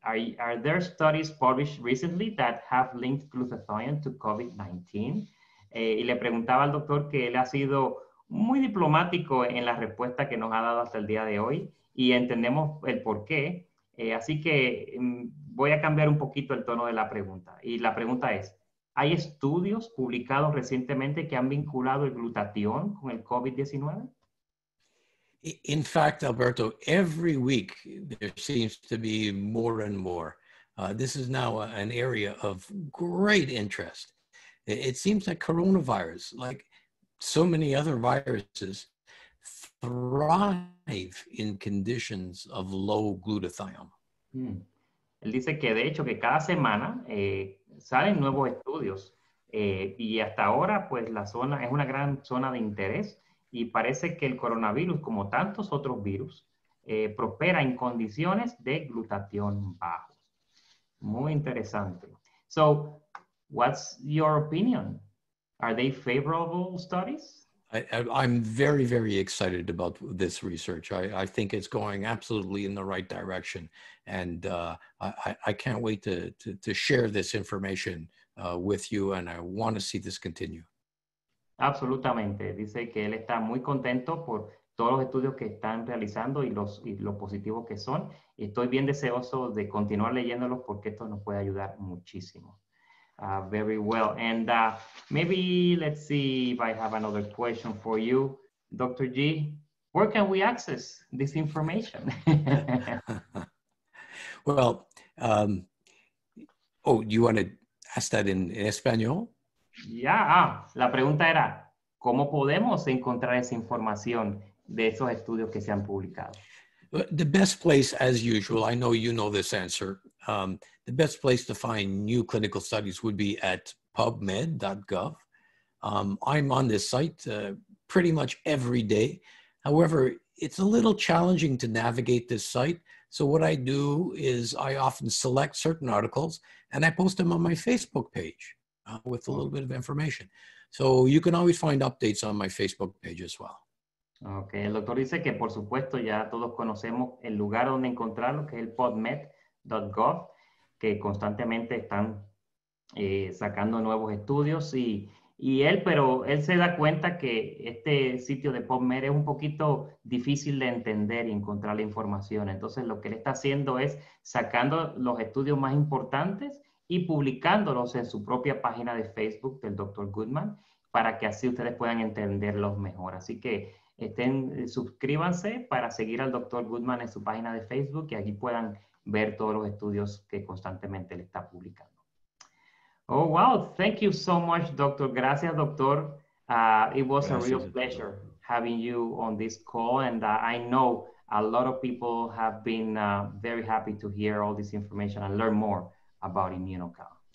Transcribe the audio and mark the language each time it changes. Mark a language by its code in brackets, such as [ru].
[en] Are there studies published recently that have linked glutathione to COVID-19? [es] Y le preguntaba al doctor que él ha sido muy diplomático en la respuesta que nos ha dado hasta el día de hoy y entendemos el por qué. Así que voy a cambiar un poquito el tono de la pregunta. Y la pregunta es, ¿hay estudios publicados recientemente que han vinculado el glutatión con el COVID-19? [en] In fact, Alberto, every week there seems to be more and more. This is now an area of great interest. It seems that coronavirus, like so many other viruses, thrive in conditions of low glutathione. [es] Él dice que de hecho que cada semana salen nuevos estudios Y hasta ahora, pues la zona es una gran zona de interés y parece que el coronavirus, como tantos otros virus, prospera en condiciones de glutatión bajo. Muy interesante. [en] So, what's your opinion? Are they favorable studies? I'm very, very excited about this research. I think it's going absolutely in the right direction. And I can't wait to share this information with you, and I want to see this continue. [es] Absolutamente. Dice que él está muy contento por todos los estudios que están realizando y los positivos que son. Estoy bien deseoso de continuar leyéndolos porque esto nos puede ayudar muchísimo. [en] Very well. And maybe let's see if I have another question for you. Dr. G, where can we access this information? Well, you want to ask that in Espanol? Yeah. [es] La pregunta era, ¿cómo podemos encontrar esa información de esos estudios que se han publicado? [en] The best place, as usual, I know you know this answer, the best place to find new clinical studies would be at pubmed.gov. I'm on this site pretty much every day. However, it's a little challenging to navigate this site. So what I do is I often select certain articles and I post them on my Facebook page with a little bit of information. So you can always find updates on my Facebook page as well. [es] Ok, el doctor dice que por supuesto ya todos conocemos el lugar donde encontrarlo, que es el pubmed.gov, que constantemente están sacando nuevos estudios pero él se da cuenta que este sitio de PubMed es un poquito difícil de entender y encontrar la información. Entonces lo que él está haciendo es sacando los estudios más importantes y publicándolos en su propia página de Facebook del Dr. Gutman para que así ustedes puedan entenderlos mejor. Así que suscríbanse para seguir al Dr. Gutman en su página de Facebook y allí puedan ver todos los estudios que constantemente le está publicando. [en] Oh, wow. Thank you so much, doctor. [es] Gracias, doctor. [en] It was a real pleasure having you on this call. And I know a lot of people have been very happy to hear all this information and learn more about Immunocal.